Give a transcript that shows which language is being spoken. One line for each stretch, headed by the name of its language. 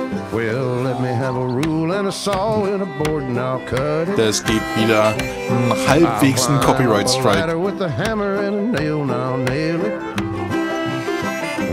English: Well, let me have a rule and a saw and a board and I'll cut it.
German: Das gibt wieder einen halbwegs einen Copyright Strike.
English: With a hammer and a nail, now nail it.